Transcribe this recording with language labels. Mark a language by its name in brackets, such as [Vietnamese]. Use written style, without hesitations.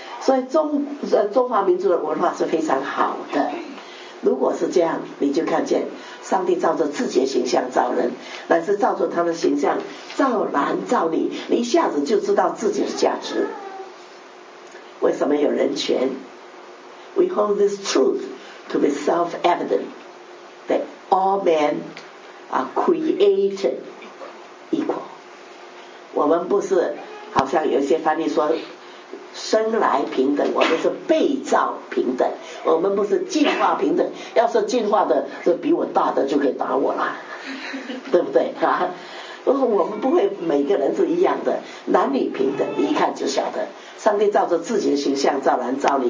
[Chinese] 所以中华民族的文化是非常好的。如果是这样，你就看见上帝照着自己的形象造人，乃是照着他的形象造男造女，你一下子就知道自己的价值。为什么有人权？ [English] We hold this truth to be self-evident that all men are created equal。 [Chinese] 我们不是好像有些翻译说生来平等，我们是被造平等，我们不是进化平等。要是进化的是比我大的就可以打我了，对不对啊？我们不会每个人是一样的，男女平等，你一看就晓得上帝照着自己的形象造男造女。